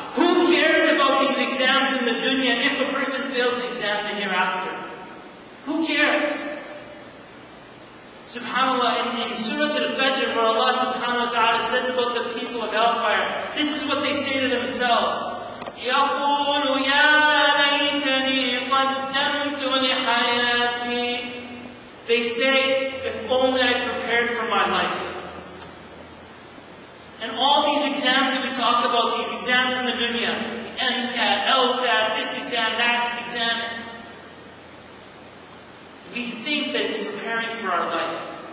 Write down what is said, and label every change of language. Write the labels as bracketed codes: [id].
[en] Who cares about these exams in the dunya if a person fails the exam the hereafter? Who cares? SubhanAllah, in Surah Al-Fajr, where Allah subhanahu wa ta'ala says about the people of Hellfire, this is what they say to themselves. [ar] يَقُولُ يَا لَيْتَنِي قَدَّمْتُ لِحَيَاتِي. They [en] say, if only I prepared for my life. And all these exams that we talk about, these exams in the dunya, the MCAT, LSAT, this exam, that exam, we think that it's preparing for our life.